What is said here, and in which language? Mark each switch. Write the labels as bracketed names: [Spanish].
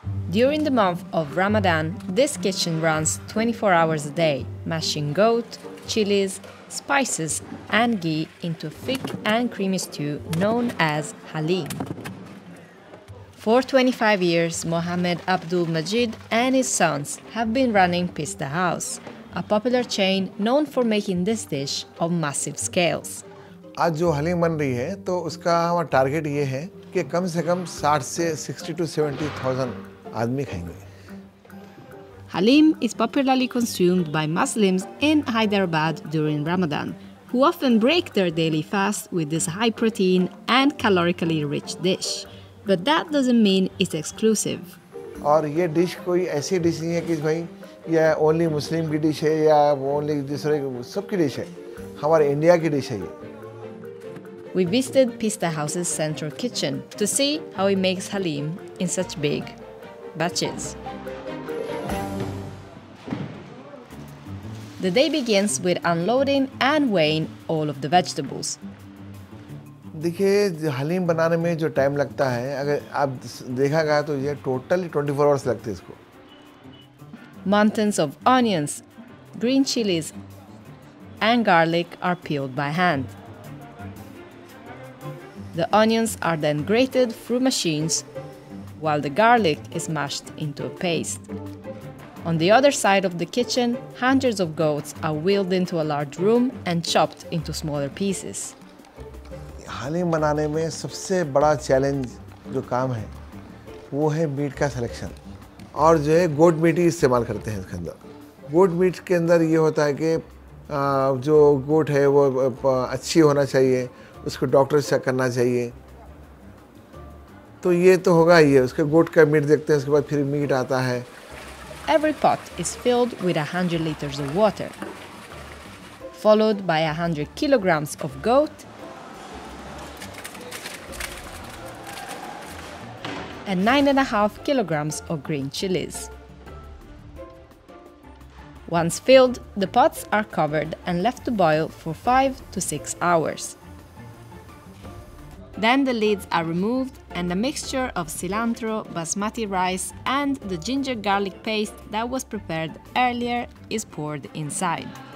[English] During the month of Ramadan, this kitchen runs 24 hours a day, mashing goat, chilies, spices, and ghee into a thick and creamy stew known as Haleem. For 25 years, Mohammed Abdul Majid and his sons have been running Pista House, a popular chain known for making this dish on massive scales. [Hindi] आज जो हलीम बन रही है तो उसका हमारा target ये है कि कम से कम 60 से 60 to 70,000 [English] Haleem is popularly consumed by Muslims in Hyderabad during Ramadan, who often break their daily fast with this high-protein and calorically rich dish. But that doesn't mean it's exclusive. [Hindi] और ये dish कोई ऐसी dish नहीं है कि भाई ये only Muslim की dish है या only दूसरे सबकी dish है. हमारे India की dish है ये. [English] We visited Pista House's central kitchen to see how he makes Haleem in such big. Batches. The day begins with unloading and weighing all of the vegetables. [Hindi] देखिए हलीम बनाने में जो टाइम लगता है अगर आप देखा गया तो ये टोटली 24 आवर्स लगते हैं इसको. [English] Mountains of onions, green chilies, and garlic are peeled by hand. The onions are then grated through machines. While the garlic is mashed into a paste. On the other side of the kitchen, hundreds of goats are wheeled into a large room and chopped into smaller pieces. [Hindi] Haleem banane mein sabse bada challenge jo kaam hai wo hai meat ka selection aur jo hai goat meat hi istemal karte hain iske andar. Goat meat ke andar ye hota hai ki jo goat hai wo achhi hona chahiye, usko doctor se check karna chahiye. तो ये तो होगा ही है उसके गोट का meet देखते हैं उसके बाद फिर मीट आता है [English] Every pot is filled with 100 liters of water followed by 100 kilograms of goat and 9.5 kilograms of green chilies Once filled the pots are covered and left to boil for 5 to 6 hours Then the lids are removed and a mixture of cilantro, basmati rice and the ginger garlic paste that was prepared earlier is poured inside.